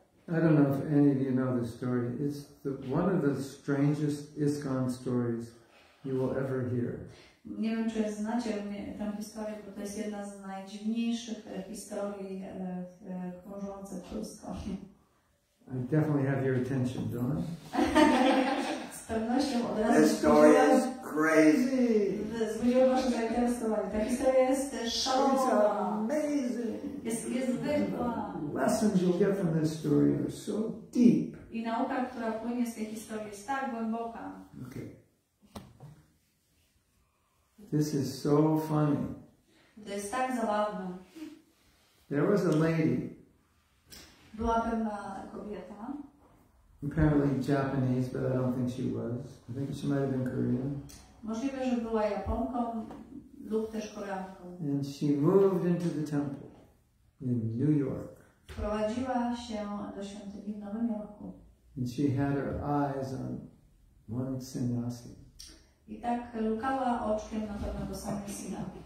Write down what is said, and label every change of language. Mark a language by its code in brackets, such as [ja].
[en] I don't know if any of you know this story. It's one of the strangest ISKCON stories you will ever hear. [pl] Nie wiem, czy znacie tę historię, bo to jest jedna z najdziwniejszych historii krążących w ISKCON. [en] I definitely have your attention, don't I? [pl] Z pewnością od razu. [en] This story is crazy! [pl] Zbudziłem wasze zainteresowanie. Ta historia jest szalona. [en] It's amazing! [pl] Jest niezwykła. [en] Lessons you'll get from this story are so deep. [pl] I nauka, która płynie z tej historii, jest tak głęboka. [en] Okay. This is so funny. [pl] To jest tak zabawne. [en] There was a lady. [pl] Była pewna kobieta. [en] Apparently Japanese, but I don't think she was. I think she might have been Korean. [pl] Możliwe, że była Japonką lub też Koreanką. [en] And she moved into the temple in New York. [pl] Wprowadziła się do świątyni w Nowym Jorku. [en] And she had her eyes on one sannyasi. [pl] I tak lukała oczkiem na pewnego sannyasina.